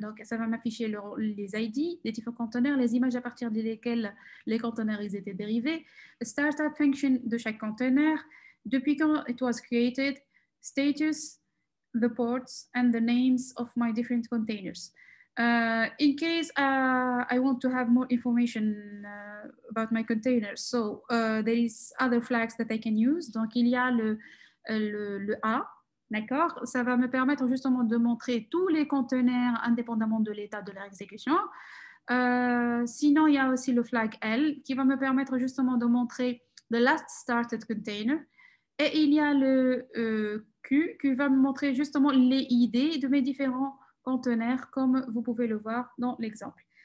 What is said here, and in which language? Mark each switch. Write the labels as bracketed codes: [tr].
[fr] Donc, ça va m'afficher les IDs des différents conteneurs, les images à partir desquelles les conteneurs ils étaient dérivés, startup function de chaque conteneur, depuis quand [en] it was created, status, the ports and the names of my different containers. In case I want to have more information about my containers, so there is other flags that I can use. [fr] Donc, il y a le A, d'accord? Ça va me permettre justement de montrer tous les conteneurs indépendamment de l'état de leur exécution. Sinon, il y a aussi le flag L qui va me permettre justement de montrer [en] the last started container. [fr] Et il y a le Q qui va me montrer justement les ID de mes différents conteneurs, comme vous pouvez le voir dans l'exemple.